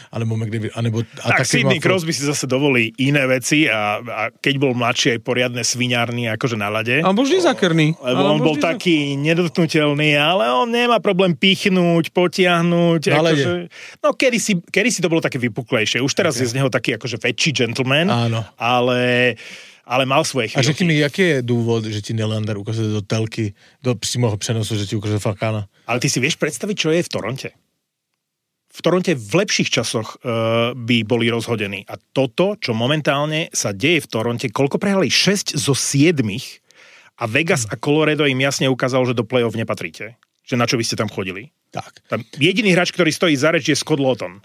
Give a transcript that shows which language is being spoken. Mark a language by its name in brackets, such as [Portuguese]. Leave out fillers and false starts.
[Slovak] Tak Sidney Crosby si zase dovolí iné veci a keď bol mladší aj poriadne sviňárny, akože na lade. A bol zakrný. Lebo on bol taký nedotknutelný, ale on nemá problém pichnúť, potiahnuť. Akože, no kedysi to bolo také vypuklejšie. Už teraz je z neho taký akože väčší gentleman. Áno. Ale mal svoje chvíľky. [Czech] A řekni mi, jaký je dôvod, že ti Nylander ukazuje do telky, do přímoho přenosu, že ti ukazuje Falcana? [Slovak] Ale ty si vieš predstaviť, čo je v Toronte? V Toronte v lepších časoch by boli rozhodení. A toto, čo momentálne sa deje v Toronte, koľko prehrali? 6 zo 7 a Vegas a Colorado im jasne ukázalo, že do play-off nepatríte. Že na čo by ste tam chodili? Tak. Tam jediný hráč, ktorý stojí za reč, je Scott Laughton.